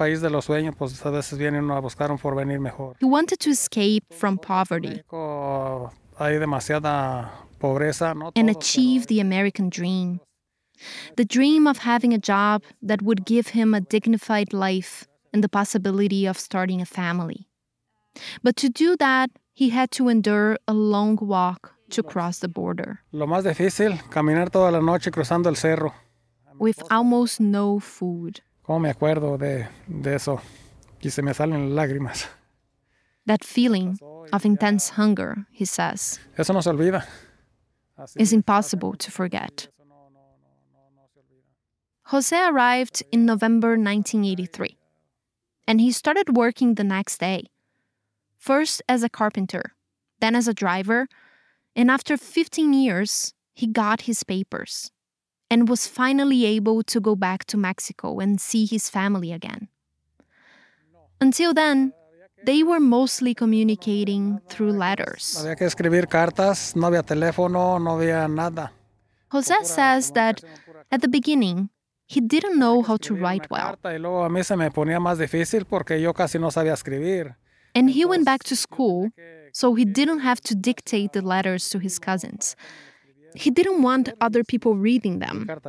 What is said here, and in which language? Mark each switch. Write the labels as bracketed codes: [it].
[en] He wanted to escape from poverty and achieve the American dream. The dream of having a job that would give him a dignified life and the possibility of starting a family. But to do that, he had to endure a long walk to cross the border. [es] Lo más difícil, caminar toda la noche cruzando el cerro. [en] With almost no food. [es] ¿Cómo me acuerdo de eso? Y se me salen lágrimas. [en] That feeling of intense hunger, he says. [es] Eso no se olvida. [en] It's impossible to forget. José arrived in November 1983, and he started working the next day, first as a carpenter, then as a driver, and after 15 years, he got his papers and was finally able to go back to Mexico and see his family again. Until then, they were mostly communicating through letters. [es] Había que escribir cartas, no había teléfono, no había nada. [en] José says that at the beginning, he didn't know how to write well. And he went back to school, so he didn't have to dictate the letters to his cousins. He didn't want other people reading them.